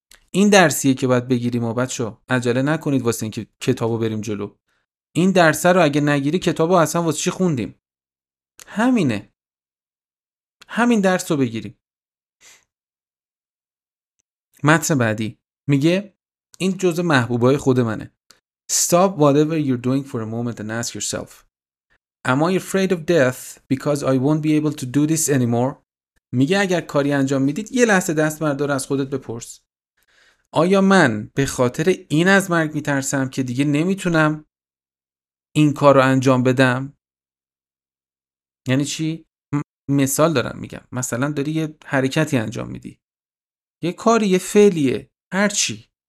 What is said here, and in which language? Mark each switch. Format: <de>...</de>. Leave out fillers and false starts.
<fa>این درسیه که باید بگیریم ما بچه ها. عجله نکنید واسه این که کتابو بریم جلو. این درس رو اگه نگیری کتابو اصلا واسه چی خوندیم؟ همینه. همین درس رو بگیریم. متن بعدی میگه این جزء محبوبای خود منه.</fa> <en>Stop whatever you're doing for a moment and ask yourself. Am I afraid of death because I won't be able to do this anymore?</en> <fa>میگه اگر کاری انجام میدید یه لحظه دست بردار از خودت بپرس. آیا من به خاطر این از مرگ میترسم که دیگه نمیتونم این کار رو انجام بدم؟ یعنی چی؟ مثال دارم میگم. مثلا داری یه حرکتی انجام میدی. یه کاری، یه فعلیه، هرچی.</fa>